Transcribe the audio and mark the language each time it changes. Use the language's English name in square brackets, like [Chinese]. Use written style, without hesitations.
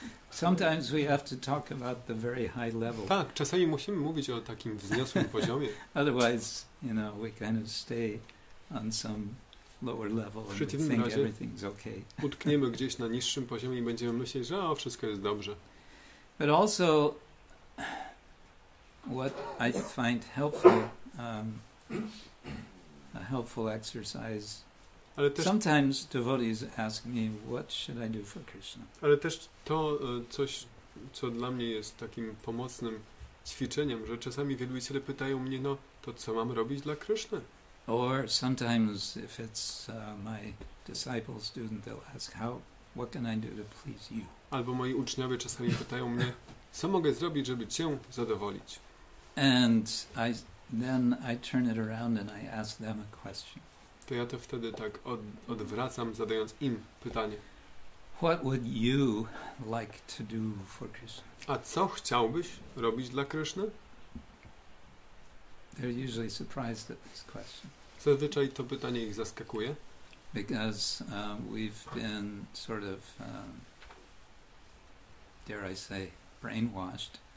[English] Sometimes we have to talk about the very high level. [Polish] Tak, czasami musimy mówić o takim wzniosłym poziomie. [English] Otherwise, you know, we kind of stay on some lower level and think everything's okay. [Polish] Utkniemy gdzieś na niższym poziomie i będziemy myśleć, że o, wszystko jest dobrze. [English] But also, what I find helpful, a helpful exercise, [Polish] ale też, [English] sometimes devotees ask me, what should I do for Krishna? [Polish] Ale też to coś, co dla mnie jest takim pomocnym ćwiczeniem, że czasami wielbiciele pytają mnie, no to co mam robić dla Krishna? [English] Or sometimes if it's my disciple, student, they'll ask, what can I do to please you? [Polish] Albo moi uczniowie czasami pytają mnie, co mogę zrobić, żeby cię zadowolić. [English] And I then I turn it around and I ask them a question. [Polish] To ja to wtedy tak odwracam, zadając im pytanie. [English] What would you like to do for Krishna? [Polish] A co chciałbyś robić dla Kryszny? [English] They're usually surprised at this question. [Polish] Zazwyczaj to pytanie ich zaskakuje. [English] Because we've been sort of dare I say, brainwashed.